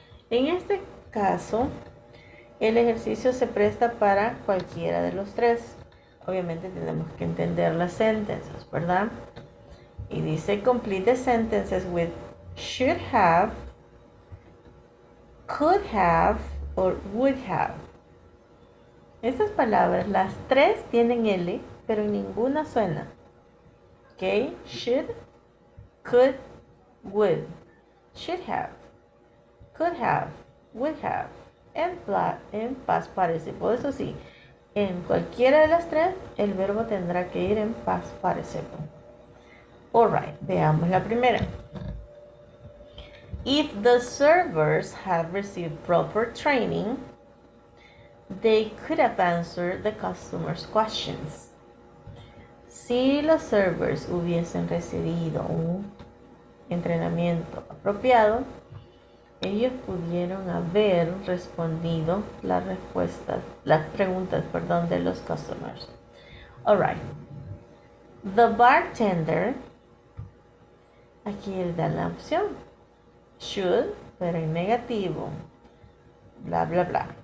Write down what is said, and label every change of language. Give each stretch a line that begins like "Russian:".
Spanish: En este caso, el ejercicio se presta para cualquiera de los tres. Obviamente tenemos que entender las sentences, ¿verdad? Y dice,
English: complete the sentences with should have, could have, or would have.
Spanish: Estas palabras, las tres tienen L, pero ninguna suena.
English: ¿Ok? Should, could, would. Should have, could have, would have. En past participle.
Spanish: Eso sí, en cualquiera de las tres, el verbo tendrá que ir en past participle. Alright, veamos la primera.
English: If the servers had received proper training, they could have answered the customer's questions.
Spanish: Si los servers hubiesen recibido un entrenamiento apropiado, ellos pudieron haber respondido las preguntas de los customers.
English: Alright. The bartender.
Spanish: Aquí él da la opción, should, pero en negativo, bla, bla, bla.